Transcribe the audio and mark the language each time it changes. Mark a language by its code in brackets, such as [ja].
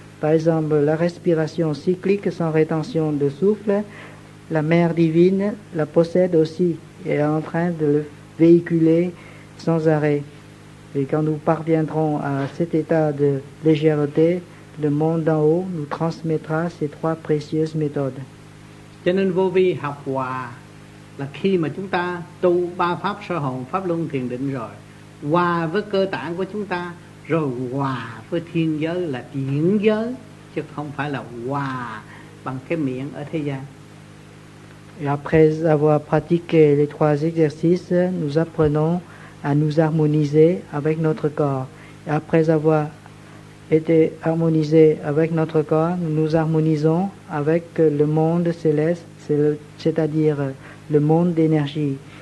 [fr] Par exemple, la respiration cyclique sans rétention de souffle, la mère divine la possède aussi et est en train de le véhiculer sans arrêt. Et quand nous parviendrons à cet état de légèreté, le monde d'en haut nous transmettra ces trois précieuses méthodes. [vi] Cho nên vô vi học hòa là khi mà chúng ta tu ba pháp sơ hồn, pháp luân thiền định rồi, hòa với cơ tạng của chúng ta, rồi hòa với thiên giới là điển giới, chứ không phải là hòa bằng cái miệng ở thế gian. [fr] Et après avoir pratiqué les trois exercices, nous apprenons à nous harmoniser avec notre corps. Et après avoir été harmonisé avec notre corps, nous nous harmonisons avec le monde céleste, c'est-à-dire le monde d'énergie.